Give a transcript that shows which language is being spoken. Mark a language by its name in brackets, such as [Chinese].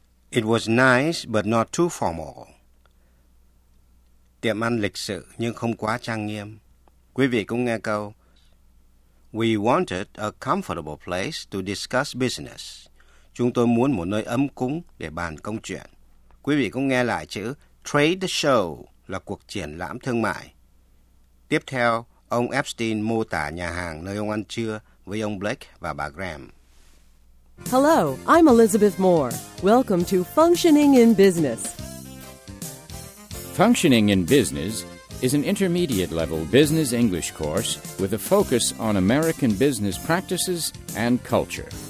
[English] It was nice but not too formal. [Vietnamese] Tiệm ăn lịch sự nhưng không quá trang nghiêm. Quý vị cũng nghe câu, [English] We wanted a comfortable place to discuss business. [Vietnamese] Chúng tôi muốn một nơi ấm cúng để bàn công chuyện. Quý vị cũng nghe lại chữ trade show là cuộc triển lãm thương mại. Tiếp theo, ông Epstein mô tả nhà hàng nơi ông ăn trưa với ông Blake và bà Graham. [English] Hello, I'm Elizabeth Moore. Welcome to Functioning in Business. Functioning in Business is an intermediate level business English course with a focus on American business practices and culture.